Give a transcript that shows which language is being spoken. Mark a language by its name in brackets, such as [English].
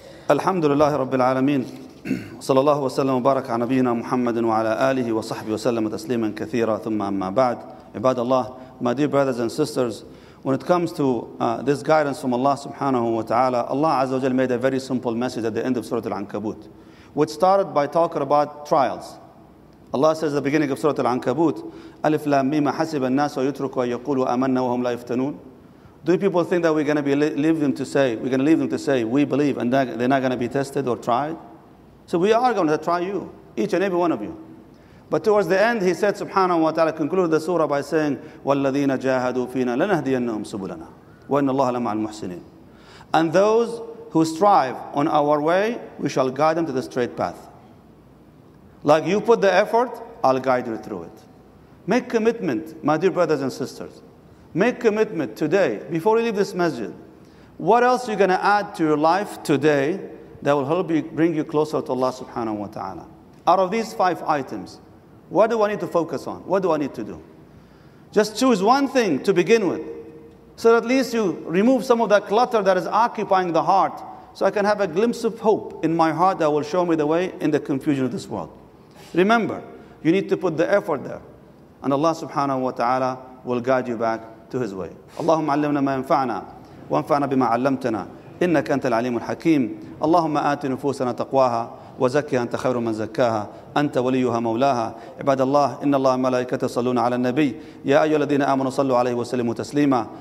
[Arabic] الحمد لله رب العالمين صلى الله وسلم وبارك على نبينا محمد وعلى آله وصحبه وسلم تسليما كثيرا ثم أما بعد. عباد الله, [English] my dear brothers and sisters, when it comes to this guidance from Allah subhanahu wa ta'ala, Allah Azza wa Jal made a very simple message at the end of Surah Al-Ankabut, which started by talking about trials. Allah says at the beginning of Surah Al-Ankabut, [Arabic] أَلِفْ لَا مِمَا حَسِبَ النَّاسَ وَيُتْرُكُوا يَقُولُوا أَمَنَّا وَهُمْ لَا يَفْتَنُونَ. [English] Do people think that we're going to leave them to say we believe and they're not going to be tested or tried? So we are going to try you, each and every one of you. But towards the end, he said, subhanahu wa ta'ala, concluded the surah by saying, [Arabic] وَالَّذِينَ جَاهَدُوا فِينَا لَنَهْدِيَنَّهُمْ سُبُلَنَا وَإِنَّ اللَّهَ لَمَعَ الْمُحْسِنِينَ. [English] And those who strive on our way, we shall guide them to the straight path. Like you put the effort, I'll guide you through it. Make commitment, my dear brothers and sisters. Make commitment today, before you leave this masjid. What else are you going to add to your life today that will help you bring you closer to Allah subhanahu wa ta'ala? Out of these five items, what do I need to focus on? What do I need to do? Just choose one thing to begin with, so at least you remove some of that clutter that is occupying the heart, so I can have a glimpse of hope in my heart that will show me the way in the confusion of this world. Remember, you need to put the effort there, and Allah subhanahu wa ta'ala will guide you back to His way. [Arabic] اللهم علمنا ما ينفعنا وانفعنا بما علمتنا إنك أنت العليم الحكيم. اللهم آت نفوسنا تقواها وزكها أنت خير من زكاها أنت وليها مولاها. عباد الله, إن الله ملائكته يصلون على النبي, يا أيها الذين آمنوا صلوا عليه وسلموا تسليما.